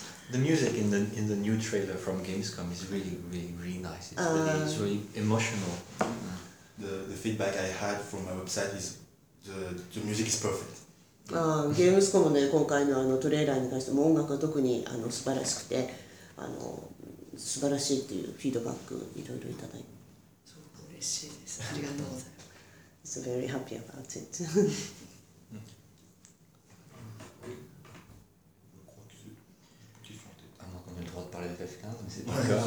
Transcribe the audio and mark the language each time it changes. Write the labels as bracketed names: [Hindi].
[English] The music in the new trailer from Gamescom is really, really, really nice. It's really emotional. The feedback I had from my website is the music is perfect. [Japanese] Gamescom のね、今回のトレーラーに関しても音楽は特に素晴らしくて、素晴らしいっていうフィードバックをいろいろいただいて、すごく嬉しいです。ありがとうございます。 [English] It's very happy about it. [French] On a le droit de parler de FF15, mais c'est pas grave.